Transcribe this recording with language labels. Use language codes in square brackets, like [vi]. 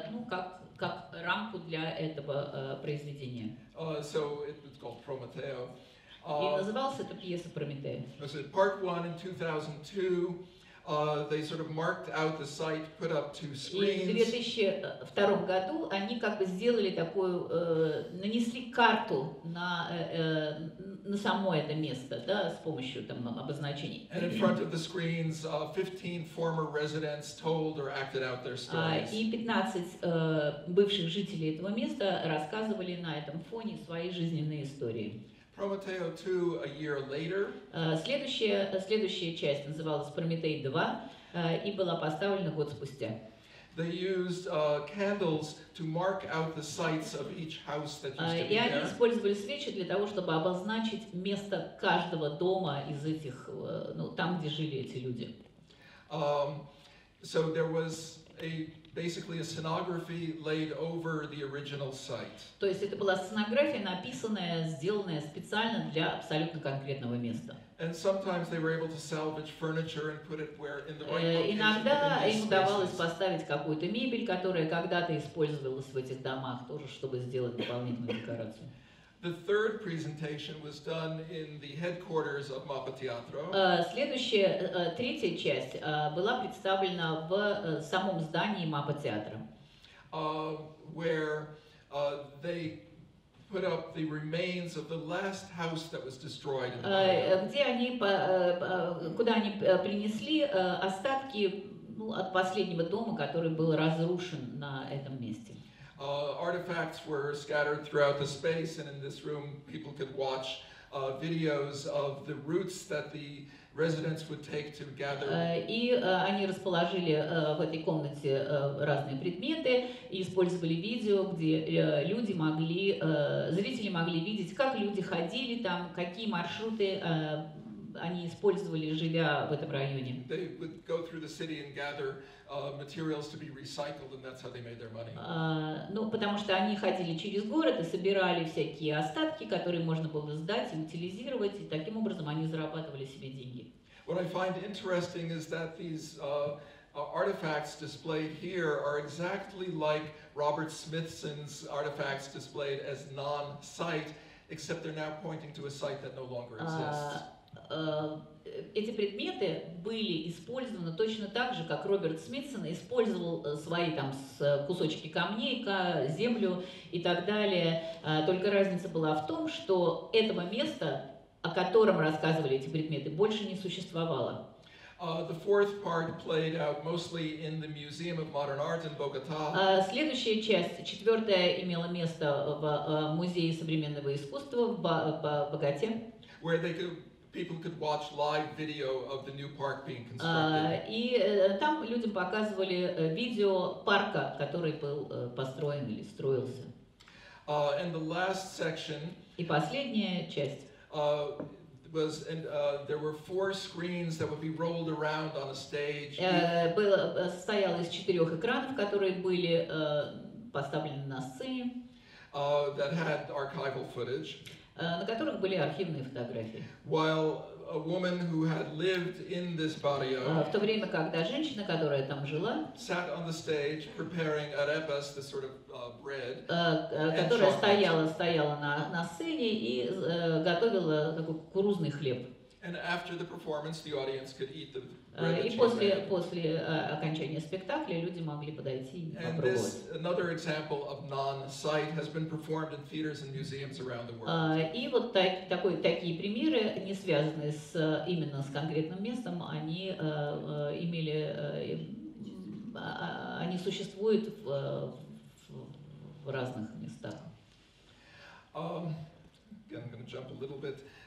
[ru] Как рамку для этого произведения. [en] So it's called Prometeo. [ru] И назывался эта пьеса Прометей. [en] So part one in 2002, they sort of marked out the site, put up two screens. [ru] И в 2002 году они как бы сделали такую, нанесли карту на само это место, да, с помощью там обозначений. [en] And in front of the screens, 15 former residents told or acted out their stories. [ru] И 15 бывших жителей этого места рассказывали на этом фоне свои жизненные истории. [en] Prometeo 2 a year later. [ru] Следующая часть называлась Прометей 2, и была поставлена год спустя. [en] They used candles to mark out the sites of each house that used to be there. [ru] И они использовали свечи для того, чтобы обозначить место каждого дома из этих, там, где жили эти люди. [en] So there was basically a scenography laid over the original site. [ru] То есть это была сценография, написанная, сделанная специально для абсолютно конкретного места. [en] And sometimes they were able to salvage furniture and put it where in the right location. [ru] Иногда им удавалось поставить какую-то мебель, которая когда-то использовалась в этих домах, тоже чтобы сделать дополнительную декорацию. [en] The third presentation was done in the headquarters of MAPA Teatro. [ru] Следующая, третья часть была представлена в самом здании MAPA Teatro. [en] Where they put up the remains of the last house that was destroyed in the fire. [ru] Куда они принесли остатки от последнего дома, который был разрушен на этом месте. [en] Artifacts were scattered throughout the space, and in this room, people could watch videos of the routes that the residents would take to gather. [ru] Они расположили в этой комнате разные предметы и использовали видео, где люди могли, зрители могли видеть, как люди ходили там, какие маршруты они использовали, живя в этом районе. [en] They would go through the city and gather materials to be recycled, and that's how they made their money. [ru] Потому что они ходили через город и собирали всякие остатки, которые можно было сдать и утилизировать, и таким образом они зарабатывали себе деньги. [en] What I find interesting is that these artifacts displayed here are exactly like Robert Smithson's artifacts displayed as non-site, except they're now pointing to a site that no longer exists. [ru] Эти предметы были использованы точно так же, как Роберт Смитсон использовал свои там кусочки камней, землю и так далее. Только разница была в том, что этого места, о котором рассказывали эти предметы, больше не существовало. [en] The fourth part played out mostly in the Museum of Modern Art in Bogota. [ru] Следующая часть, четвертая, имела место в Музее современного искусства в Боготе. [en] Where they could people could watch live video of the new park being constructed. [ru] И там людям показывали видео парка, который был построен или строился. [en] And the last section. [ru] И последняя часть. [en] Was and there were four screens that would be rolled around on a stage. [ru] Состоял из четырех экранов, которые были поставлены на сцене. [en] That had archival footage. [ru] На которых были архивные фотографии. [en] While a woman who had lived in this barrio, [ru] в то время, когда женщина, которая там жила, [en] sat on the stage preparing arepas, the sort of bread, [ru] которая стояла на сцене и готовила такой кукурузный хлеб. [en] And after the performance, the audience could eat the bread. [ru] И после окончания спектакля люди могли подойти и попробовать. [en] And this another example of non-site has been performed in theaters and museums around the world. [ru] И вот такие примеры, не связанные с именно с конкретным местом, они существуют в разных местах. [en] Again, I'm going to jump a little bit.